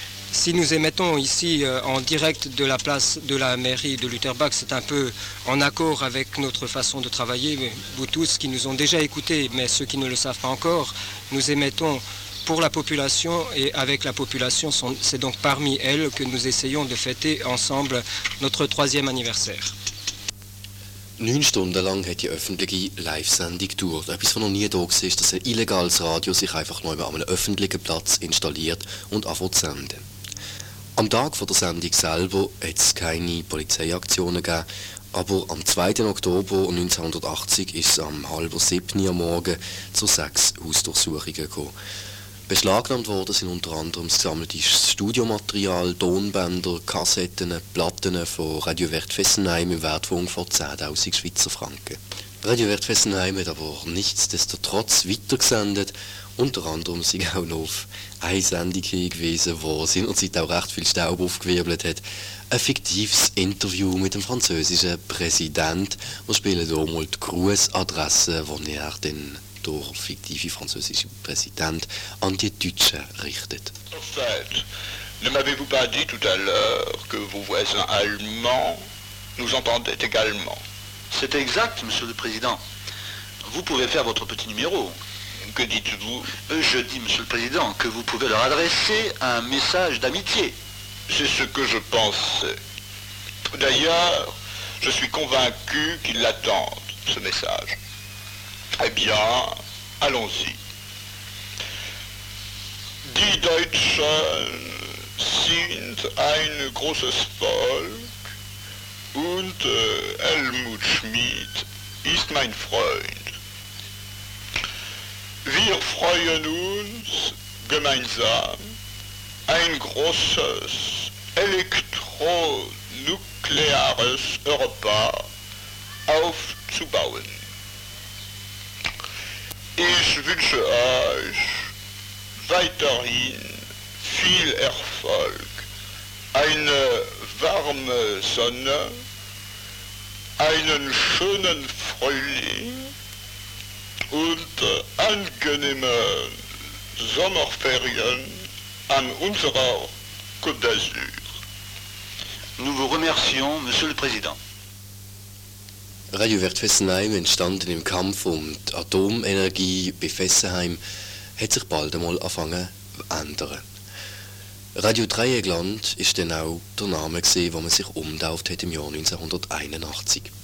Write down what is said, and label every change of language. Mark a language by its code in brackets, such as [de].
[fr] Si nous émettons ici en direct de la place de la mairie de Lutherbach, c'est un peu en accord avec notre façon de travailler. Vous tous qui nous ont déjà écoutés, mais ceux qui ne le savent pas encore, nous émettons pour la population et avec la population, c'est donc parmi elles que nous essayons de fêter ensemble notre 3e anniversaire. [de] 9 Stunden lang hat die öffentliche Live-Sendung gedauert. Etwas, was noch nie da war, dass ein illegales Radio sich einfach nur an einem öffentlichen Platz installiert und anfängt zu senden. Am Tag der Sendung selber hat es keine Polizeiaktionen gegeben, aber am 2. Oktober 1980 ist es am 6:30 am Morgen zu 6 Hausdurchsuchungen gekommen. Beschlagnahmt worden sind unter anderem gesammeltes Studiomaterial, Tonbänder, Kassetten, Platten von Radio Wert Fessenheim im Wert von ungefähr 10'000 Schweizer Franken. Radio Wert Fessenheim hat aber nichtsdestotrotz weitergesendet. Unter anderem sind auch noch auf eine Sendung hingewiesen, wo seinerzeit auch recht viel Staub aufgewirbelt hat. Ein fiktives Interview mit dem französischen Präsident. Wir spielen hier mal die Grußadresse, die er dann durch fiktive französische Präsident an die Deutschen richtet. [fr] En fait, ne m'avez-vous pas dit tout à l'heure que vos voisins allemands nous entendaient également? C'est exact, monsieur le président. Vous pouvez faire votre petit numéro. Que dites-vous? Je dis, monsieur le président, que vous pouvez leur adresser un message d'amitié. C'est ce que je pensais. D'ailleurs, je suis convaincu qu'ils l'attendent, ce message. Eh bien, allons-y. [de] Die Deutschen sind eine große Volk und Helmut Schmidt ist mein Freund. Wir freuen uns gemeinsam ein großes elektronukleares Europa aufzubauen. Ich wünsche euch weiterhin viel Erfolg, eine warme Sonne, einen schönen Frühling und angenehme Sommerferien an unserer Côte d'Azur. [fr] Nous vous remercions, Monsieur le Président. [de] Radio Wert Fessenheim, entstanden im Kampf um die Atomenergie bei Fessenheim, hat sich bald einmal angefangen zu ändern. Radio Dreieckland ist dann auch der Name gewesen, wo man sich umtauft hat im Jahr 1981.